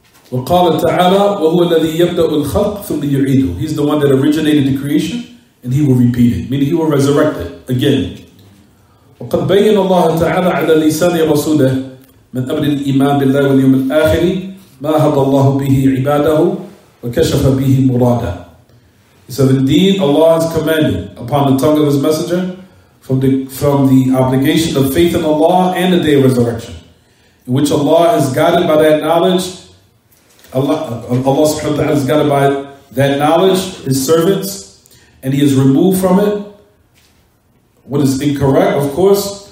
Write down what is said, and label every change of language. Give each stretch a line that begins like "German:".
Arabic: وقال تعالى وهو الذي يبدأ الخلق ثم يعيده.
English: He's the one that originated the creation and he will repeat it, meaning he will resurrect it again.
Arabic: وقد بين الله تعالى على لسان رسوله من أمر الإيمان بالله واليوم الآخر ما هدى الله به عباده وكشف به مراده.
English: He said, indeed, Allah has commanded upon the tongue of His Messenger from the obligation of faith in Allah and the Day of Resurrection, in which Allah is guided by that knowledge. Allah subhanahu wa ta'ala is guided by that knowledge, His servants, and He has removed from it what is incorrect, of course.